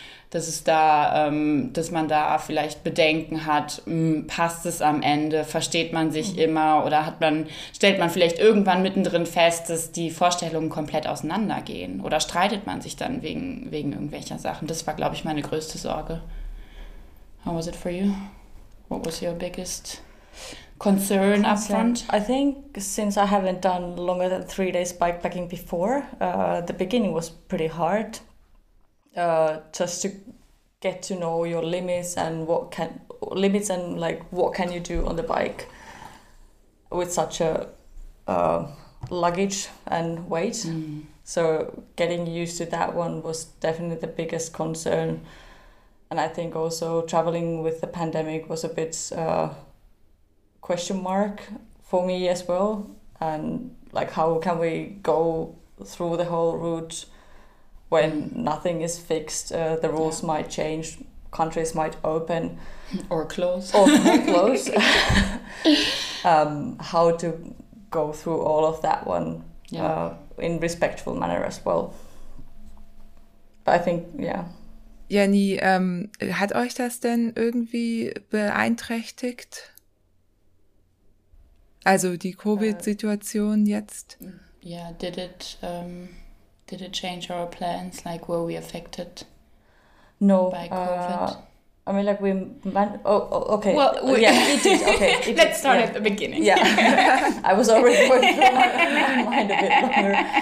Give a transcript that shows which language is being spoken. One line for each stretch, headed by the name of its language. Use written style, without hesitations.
German: Dass es da, dass man da vielleicht Bedenken hat, passt es am Ende, versteht man sich immer oder stellt man vielleicht irgendwann mittendrin fest, dass die Vorstellungen komplett auseinandergehen oder streitet man sich dann wegen irgendwelcher Sachen? Das war, glaube ich, meine größte Sorge.
English: How was it for you? What was your biggest concern up front? I think since I haven't done longer than 3 days bikepacking before, the beginning was pretty hard. just to get to know your limits and what can limits and like what can you do on the bike with such a luggage and weight. Mm. So getting used to that one was definitely the biggest concern. And I think also traveling with the pandemic was a bit question mark for me as well. And like, how can we go through the whole route when nothing is fixed? The rules might change, countries might open. Or close. Or close. how to go through all of that one in respectful manner as well. But I think, yeah.
German: Jenny, hat euch das denn irgendwie beeinträchtigt? Also die COVID-Situation jetzt?
English: Yeah, did it change our plans? Like, were we affected by COVID? I mean, like, okay. Well, it did, okay. Let's start at the beginning. Yeah, I was already working through my mind a bit longer.